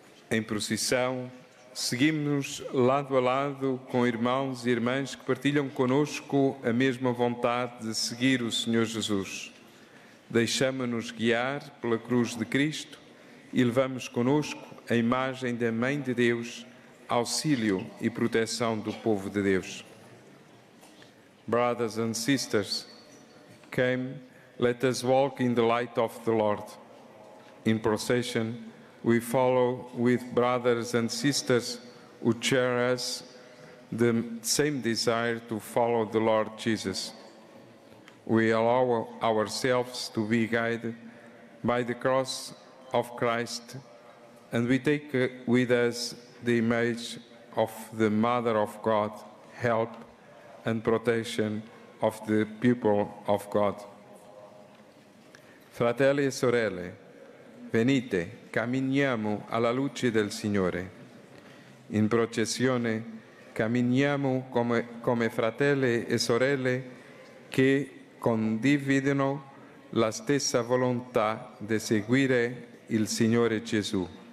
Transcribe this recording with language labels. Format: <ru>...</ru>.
<pt>Em procissão, seguimos lado a lado com irmãos e irmãs que partilham conosco a mesma vontade de seguir o Senhor Jesus. Deixamo-nos guiar pela cruz de Cristo e levamos conosco a imagem da Mãe de Deus, auxílio e proteção do povo de Deus.</pt> <en>Brothers and sisters, came, let us walk in the light of the Lord. In procession, we follow with brothers and sisters who share us the same desire to follow the Lord Jesus. We allow ourselves to be guided by the cross of Christ, and we take with us the image of the Mother of God, help and protection of the people of God.</en> <it>Fratelli e sorelle, venite, camminiamo alla luce del Signore. In processione, camminiamo come fratelli e sorelle che condividono la stessa volontà di seguire il Signore Gesù.</it>